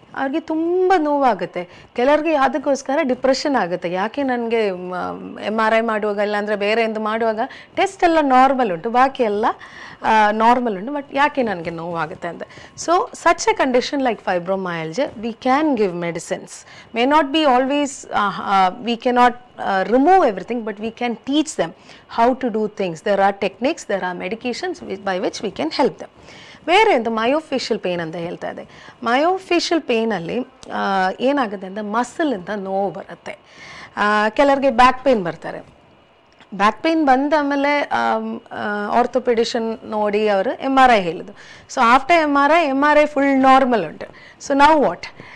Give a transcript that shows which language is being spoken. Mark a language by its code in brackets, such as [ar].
[kn] ಅವ್ರಿಗೆ ತುಂಬ ನೋವಾಗುತ್ತೆ, ಕೆಲವ್ರಿಗೆ ಅದಕ್ಕೋಸ್ಕರ ಡಿಪ್ರೆಷನ್ ಆಗುತ್ತೆ, ಯಾಕೆ ನನಗೆ ಎಮ್ ಆರ್ ಐ ಮಾಡುವಾಗ ಇಲ್ಲಾಂದರೆ ಬೇರೆ ಎಂದು ಮಾಡುವಾಗ ಟೆಸ್ಟ್ ಎಲ್ಲ ನಾರ್ಮಲ್ ಉಂಟು, ಬಾಕಿ ಎಲ್ಲ ನಾರ್ಮಲ್ ಉಂಟು, ಬಟ್ ಯಾಕೆ ನನಗೆ ನೋವಾಗುತ್ತೆ ಅಂತ. [en] So such a condition like fibromyalgia we can give medicines, may not be always we cannot remove everything, but we can teach them how to do things. There are techniques, there are medications by which we can help them. [kn] ಬೇರೆ ಅಂತ ಮಯೋಫೇಷಿಯಲ್ pain ಅಂತ ಹೇಳ್ತಾ ಇದೆ. ಮಯೋಫೇಷಿಯಲ್ ಪೇನಲ್ಲಿ ಏನಾಗುತ್ತೆ ಅಂದರೆ muscle ಅಂತ ನೋವು ಬರುತ್ತೆ, ಕೆಲವರಿಗೆ ಬ್ಯಾಕ್ ಪೇನ್ ಬರ್ತಾರೆ, ಬ್ಯಾಕ್ ಪೇನ್ ಬಂದ ಆಮೇಲೆ ಆರ್ಥೋಪೆಡಿಷನ್ ನೋಡಿ ಅವರು ಎಮ್ ಆರ್ ಐ ಹೇಳಿದ್ರು. [en] So after M R I, M R I full normal ಉಂಟು. So now what?